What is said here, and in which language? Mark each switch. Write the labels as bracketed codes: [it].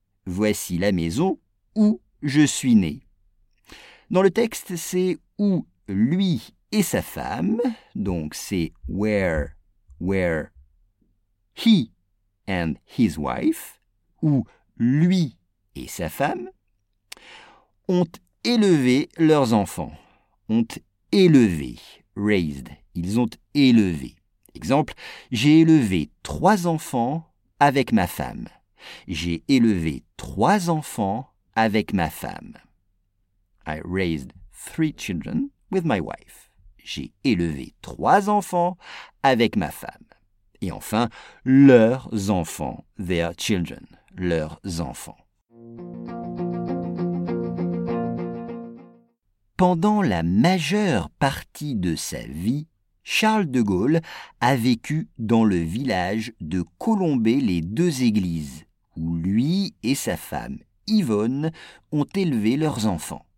[fr] Voici la maison où je suis né. Dans le texte, c'est où lui et sa femme, donc c'est [en] where he and his wife, [fr] où lui et sa femme ont élevé leurs enfants. Ont élevé, [en] raised, [fr] ils ont élevé. Exemple, j'ai élevé 3 enfants avec ma femme. J'ai élevé 3 enfants avec ma femme. [en] I raised 3 children with my wife. [fr] J'ai élevé 3 enfants avec ma femme. Et enfin, leurs enfants, [en] their children, [fr] leurs enfants. Pendant la majeure partie de sa vie, Charles de Gaulle a vécu dans le village de Colombey-les-Deux-Églises, où lui et sa femme, Yvonne, ont élevé leurs enfants.